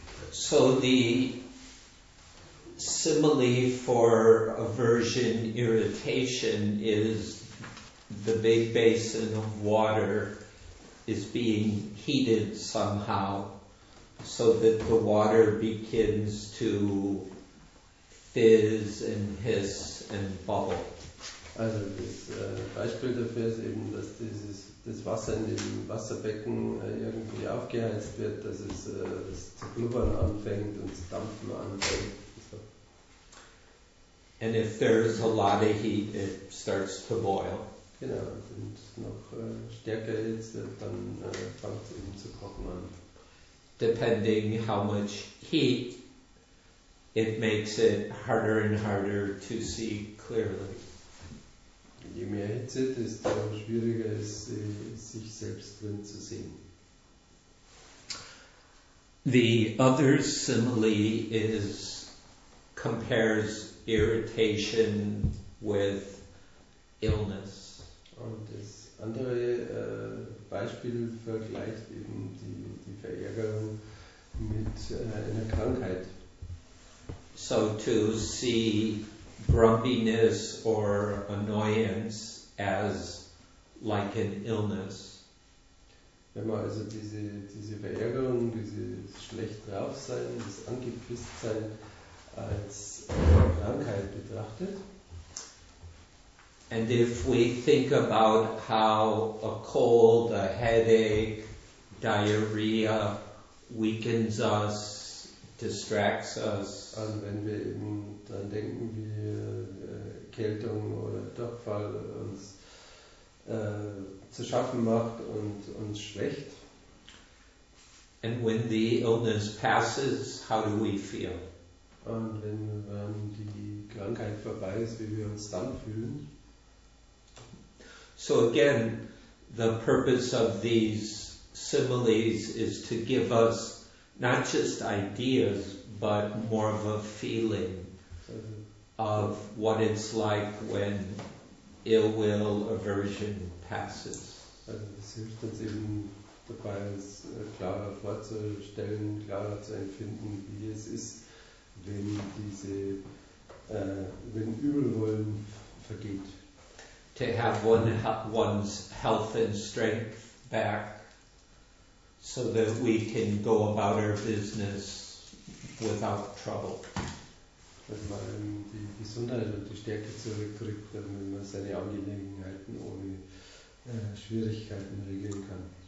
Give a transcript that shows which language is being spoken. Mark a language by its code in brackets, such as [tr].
[en] So the simile for aversion irritation is the big basin of water is being heated somehow so that the water begins to fizz and hiss and bubble. [de] Also das Beispiel dafür ist eben, dass das Wasser in dem Wasserbecken irgendwie aufgeheizt wird, dass es das zu blubbern anfängt und zu dampfen anfängt. [en] So. And if there's a lot of heat, it starts to boil. [de] Genau, wenn es noch stärker ist, dann fängt es eben zu kochen an. [en] Depending how much heat, it makes it harder and harder to see clearly. [de] Je mehr Hitze, desto schwieriger ist es, sich selbst drin zu sehen. [en] The other simile compares irritation with illness. [de] Und das andere Beispiel vergleicht eben die Verärgerung mit einer Krankheit. [en] So to see grumpiness or annoyance as like an illness. [de] Wenn man also diese Verärgerung, dieses schlecht drauf sein, das angepisst sein als Krankheit betrachtet. [en] And if we think about how a cold, a headache, diarrhea weakens us, distracts us. [de] Und wenn wir eben dann denken, wie Erkältung oder Durchfall uns zu schaffen macht und uns schwächt. [en] And when the illness passes, how do we feel? [de] Und wenn die Krankheit vorbei ist, wie wir uns dann fühlen? [en] So again, the purpose of these similes is to give us not just ideas, but more of a feeling. So of what it's like when ill will, aversion passes. [de] Also es hilft uns eben dabei, es klarer vorzustellen, klarer zu empfinden, wie es ist, wenn diese wenn Übelwollen vergeht. [en] To have one's health and strength back, so that we can go about our business without trouble. [de] Wenn man die Gesundheit und die Stärke zurückkriegt, wenn man seine Angelegenheiten ohne Schwierigkeiten regeln kann.